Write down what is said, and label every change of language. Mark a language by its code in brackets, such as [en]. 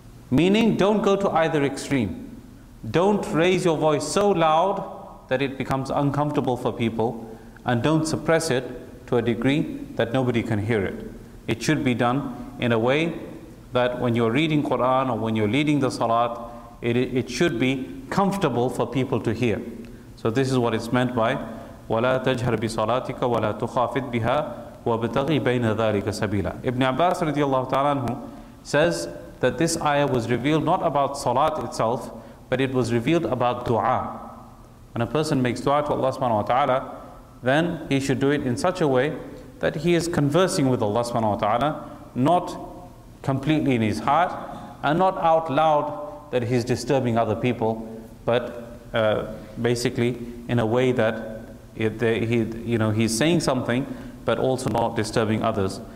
[en] Meaning, don't go to either extreme. Don't raise your voice so loud that it becomes uncomfortable for people, and don't suppress it to a degree that nobody can hear it. It should be done in a way that when you're reading Quran or when you're leading the salat, it should be comfortable for people to hear. So this is what it's meant by [ar] وَلَا تَجْهَرْ بِصَلَاتِكَ وَلَا تُخَافِدْ بِهَا وَبِتَغِي بَيْنَ ذَلِكَ سَبِيلًا. [en] Ibn Abbas radiallahu ta'ala anhu says that this ayah was revealed not about salat itself, but it was revealed about dua. When a person makes dua to Allah subhanahu wa ta'ala, then he should do it in such a way that he is conversing with Allah subhanahu wa ta'ala, not completely in his heart, and not out loud that he's disturbing other people, but basically in a way that he's saying something but also not disturbing others.